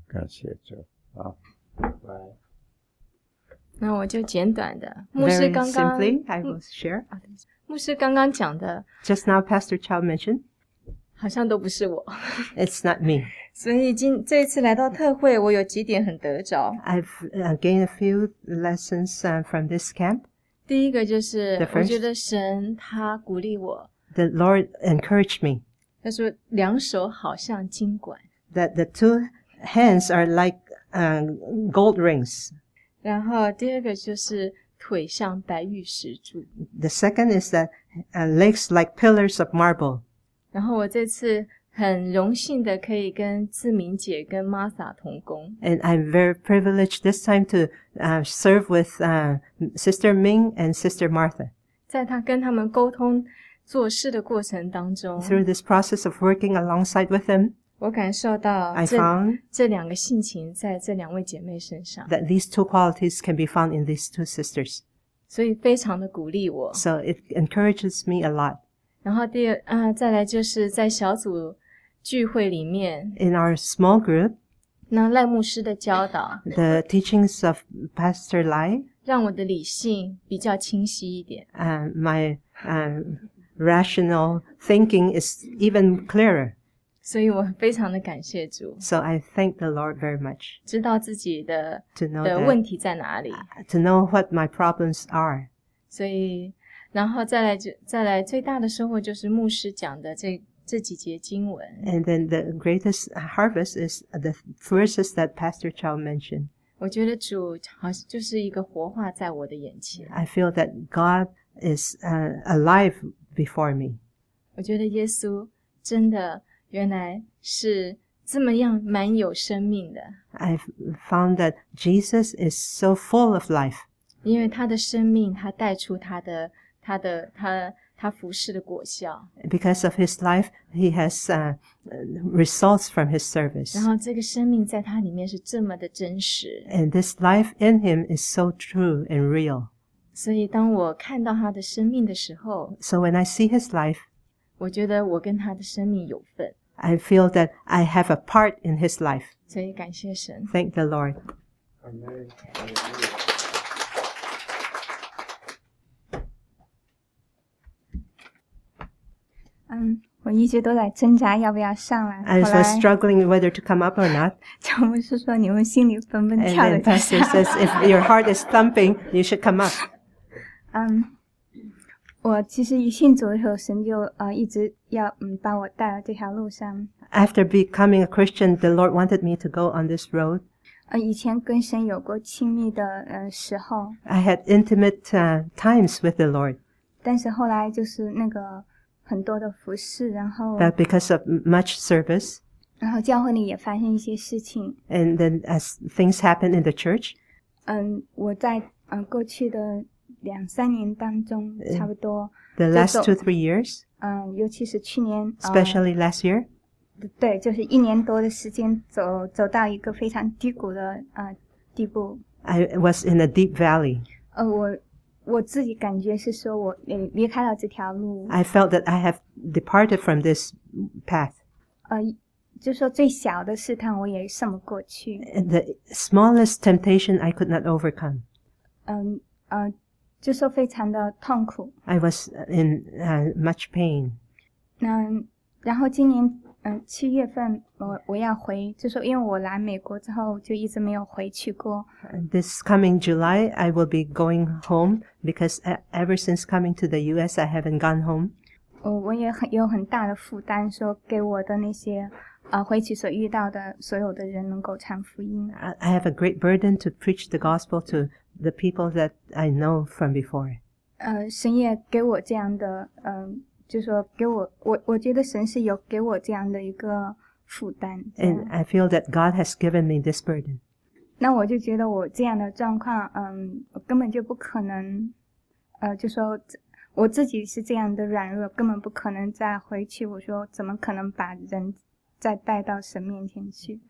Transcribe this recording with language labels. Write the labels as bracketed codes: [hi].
[zh] 感谢主啊！来，那我就简短的。牧师刚刚 [en] Very simply, I will share. [zh] 牧师刚刚讲的 [en] ，Just now, Pastor Chow mentioned， [zh] 好像都不是我。 [en] It's not me. [zh] 所以这一次来到特会，我有几点很得着。 [en] I've gained a few lessons from this camp. [zh] 第一个就是我觉得神他鼓励我 [en] The Lord encouraged me [zh] 他说两手好像金管 [en] That the two hands are like gold rings [zh] 然后第二个就是腿像白玉石柱 [en] The second is that legs like pillars of marble [zh] 然后我这次很荣幸的可以跟志明姐跟 Martha 同工 [en] And I'm very privileged this time to serve with Sister Ming and Sister Martha [zh] 在她跟他们沟通做事的过程当中 [en] Through this process of working alongside with them [zh] 我感受到 [en] I found [zh] 这两个性情在这两位姐妹身上 [en] That these two qualities can be found in these two sisters [zh] 所以非常的鼓励我 [en] So it encourages me a lot [zh] 然后第二再来就是在小组聚会里面 [en] In our small group [zh] 那赖牧师的教导 [en] The teachings of Pastor Lai [zh] 让我的理性比较清晰一点 [en] My rational thinking is even clearer [zh] 所以我非常的感谢主 [en] So I thank the Lord very much [zh] 知道自己的 [en] To know [zh] 的问题在哪里 [en] To know what my problems are [zh] 所以然后再来最大的收获就是牧师讲的这几节经文 [en] And then the greatest harvest is the verses that Pastor Chow mentioned [zh] 我觉得主好像就是一个活化在我的眼前。 [en] I feel that God is alive before me. [zh] 我觉得耶稣真的原来是这么样蛮有生命的。 [en] I found that Jesus is so full of life. [zh] 因为他的生命他带出他服侍的果效。 [en] Because of his life, he has results from his service. [zh] 然后这个生命在他里面是这么的真实。 [en] And this life in him is so true and real. [zh] 所以当我看到他的生命的时候， [en] So when I see his life, [zh] 我觉得我跟他的生命有份。 [en] I feel that I have a part in his life. [zh] 所以感谢神。 [en] Thank the Lord. Amen. [zh] 我一直都在挣扎要不要上来。 [en] I was struggling whether to come up or not. [zh] 乔牧师说你们心里蹦蹦跳的。 [en] And the pastor says if your heart is thumping, you should come up. [zh] 我其实一信主的时候，神就一直要把我带到这条路上。 [en] After becoming a Christian, the Lord wanted me to go on this road. [zh] 以前跟神有过亲密的时候。 [en] I had intimate times with the Lord. [zh] 但是后来就是那个。很多的服侍，然后 [en] But because of much service, [zh] 然后教会里也发生一些事情。 [en] And then as things happen in the church, [zh] 我在过去的两三年当中，差不多 [en] the last two three years, [zh] 尤其是去年 [en] especially last year, [zh] 对，就是一年多的时间走到一个非常低谷的地步。 [en] I was in a deep valley. [zh] 我自己感觉是说我离开了这条路。 [en] I felt that I have departed from this path. [zh] 就说最小的试探我也胜不过去。 [en] And the smallest temptation I could not overcome. [zh] 就说非常的痛苦。 [en] I was in much pain. [zh] 然后今年七月份我要回，就说因为我来美国之后就一直没有回去过。 [en] This coming July, I will be going home because ever since coming to the U.S., I haven't gone home. [zh] 我也有很大的负担，说给我的那些回去所遇到的所有的人能够传福音。 [en] I have a great burden to preach the gospel to the people that I know from before. [zh] 神也给我这样的就说给我我觉得神是有给我这样的一个负担。 [en] And I feel that God has given me this burden. [zh] 那我就觉得我这样的状况我根本就不可能就说我自己是这样的软弱，根本不可能再回去，我说怎么可能把人再带到神面前去。